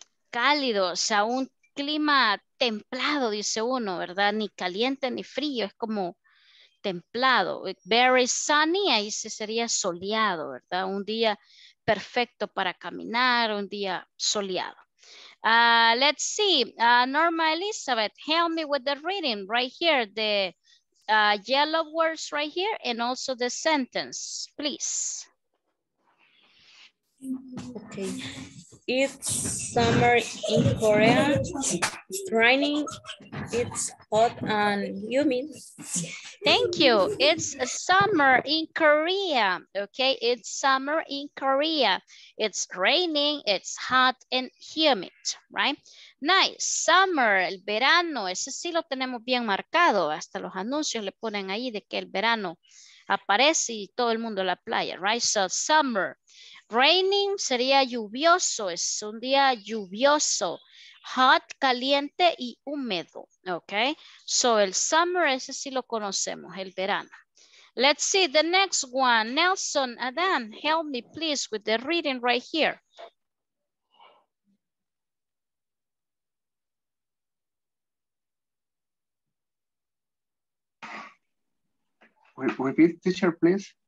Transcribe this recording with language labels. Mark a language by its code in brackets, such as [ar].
[es] Cálido, o sea, un clima templado, dice uno, ¿verdad? Ni caliente ni frío, es como templado. [en] Very sunny, [es] ahí se sería soleado, ¿verdad? Un día perfecto para caminar, un día soleado. [en] Let's see, Norma Elizabeth, help me with the reading right here, the yellow words right here, and also the sentence, please. Okay. It's summer in Korea. It's raining. It's hot and humid. Thank you. It's summer in Korea. Okay, it's summer in Korea. It's raining. It's hot and humid. Right? Nice. [es] Summer, el verano. Ese sí lo tenemos bien marcado. Hasta los anuncios le ponen ahí de que el verano aparece y todo el mundo a la playa. [en] Right? So, summer. Raining [es] sería lluvioso, es un día lluvioso. Hot, caliente y húmedo, ¿ok? So, el summer, ese sí lo conocemos, el verano. [en] Let's see the next one. Nelson, Adán, help me please with the reading right here. Repeat, teacher, please.